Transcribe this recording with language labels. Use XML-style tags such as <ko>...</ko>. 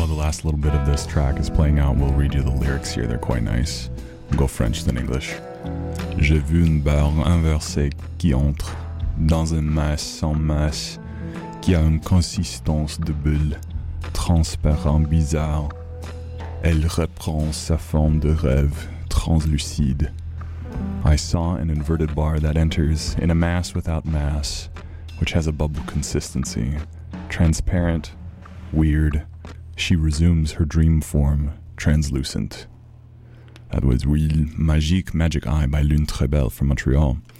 <en>last little bit of this track is playing out. We'll read you the lyrics here. They're quite nice. We'll go French then English.</en> <fr>J'ai vu une barre inversée qui entre dans une masse sans masse qui a une consistance de bulle transparent bizarre. Elle reprend sa forme de rêve translucide.</fr> <en>I saw an inverted bar that enters in a mass without mass, which has a bubble consistency. Transparent, weird. She resumes her dream form, translucent. That was Real Magique, Magic Eye by Lune Très Belle from Montreal.</en>